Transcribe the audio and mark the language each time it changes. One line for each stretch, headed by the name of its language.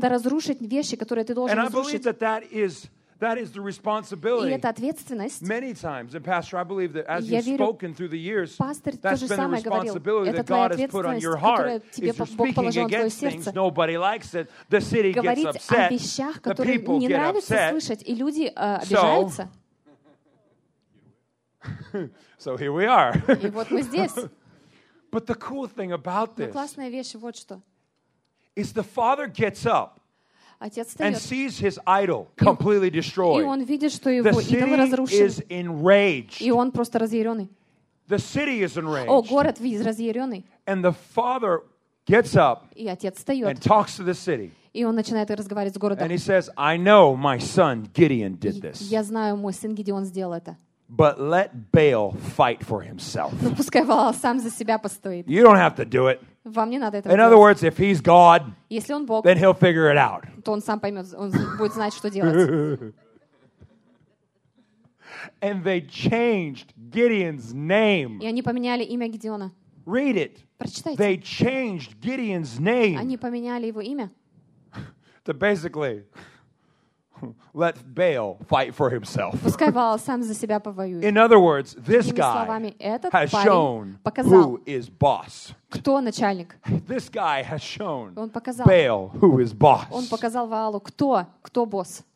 English: And I believe that is the responsibility.
Russian: И это ответственность.
English: Many times, and Pastor, I believe that as you've spoken through the years,
Russian: пастор,
English: that's been the responsibility that God has put on your heart. If you're speaking against things, nobody likes it. The city gets upset.
Russian: Говорить о вещах, которые не нравится слышать, и люди обижаются.
English: So here we are.
Russian: И вот мы здесь.
English: But the cool thing about this.
Russian: Но классная вещь вот что.
English: Is the Father gets up.
Russian: Отец
English: and sees his idol completely destroyed.
Russian: И он видит, что его
English: the city
Russian: идол разрушен.
English: Is enraged.
Russian: И он просто разъяренный.
English: The city is enraged.
Russian: О, город разъяренный.
English: And the father gets up
Russian: и отец встает.
English: And talks to the city.
Russian: И он начинает разговаривать с городом.
English: And he says, I know my son Gideon did this.
Russian: Я знаю, мой сын Гедеон сделал это.
English: But let Baal fight for himself.
Russian: Но пускай Ваал сам за себя постоит.
English: You don't have to do it.
Russian: Вам не надо этого делать.
English: In other words, if he's God,
Russian: если он Бог,
English: then he'll figure it out.
Russian: То он сам поймет, он будет знать, что делать.
English: And they changed Gideon's name.
Russian: И они поменяли имя Гедеона.
English: Read it.
Russian: Прочитайте.
English: They changed Gideon's name.
Russian: Они поменяли его имя.
English: To basically let Baal fight for himself.
Russian: Пускай Ваал сам за себя повоюет.
English: In other words, this guy
Russian: словами,
English: has shown
Russian: показал,
English: who is boss.
Russian: Кто начальник?
English: This guy has shown
Russian: он показал,
English: Baal who is boss.
Russian: Он показал Ваалу, кто босс.